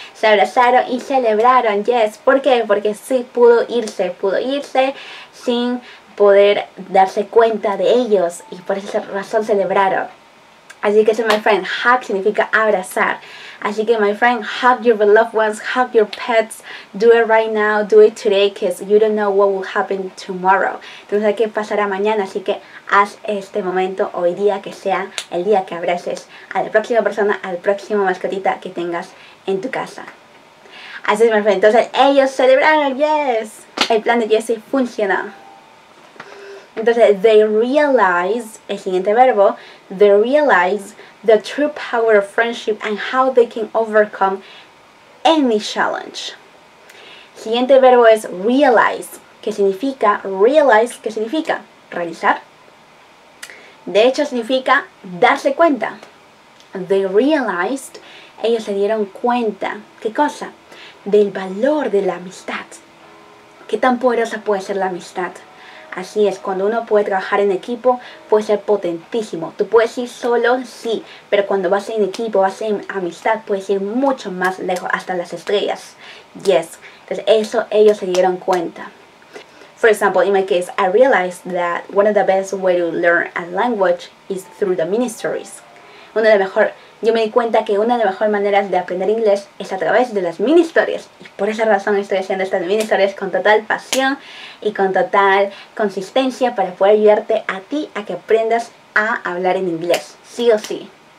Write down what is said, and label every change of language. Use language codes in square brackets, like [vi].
[es] Se abrazaron y celebraron, yes. ¿Por qué? Porque sí pudo irse sin poder darse cuenta de ellos y por esa razón celebraron. Así que eso, [en] my friend, [es] hug significa abrazar. Así que, [en] my friend, hug your loved ones, hug your pets, do it right now, do it today, because you don't know what will happen tomorrow. [es] Entonces, ¿qué pasará mañana? Así que haz este momento hoy día que sea el día que abraces a la próxima persona, al próximo mascotita que tengas en tu casa. Así es, [en] my friend, [es] entonces ellos celebraron, yes, el plan de Jesse funcionó. [en] Entonces, they realize, [es] el siguiente verbo, [en] they realize the true power of friendship and how they can overcome any challenge. [es] Siguiente verbo es realize, que significa, realize, que significa realizar. De hecho, significa darse cuenta. [en] They realized, [es] ellos se dieron cuenta, ¿qué cosa? Del valor de la amistad. ¿Qué tan poderosa puede ser la amistad? Así es, cuando uno puede trabajar en equipo, puede ser potentísimo. Tú puedes ir solo, sí, pero cuando vas en equipo, vas en amistad, puedes ir mucho más lejos, hasta las estrellas. Yes. Entonces, eso ellos se dieron cuenta. [en] For example, in my case, I realized that one of the best ways to learn a language is through the mini stories. [es] Yo me di cuenta que una de las mejores maneras de aprender inglés es a través de las mini historias. Y por esa razón estoy haciendo estas mini historias con total pasión y con total consistencia para poder ayudarte a ti a que aprendas a hablar en inglés, sí o sí.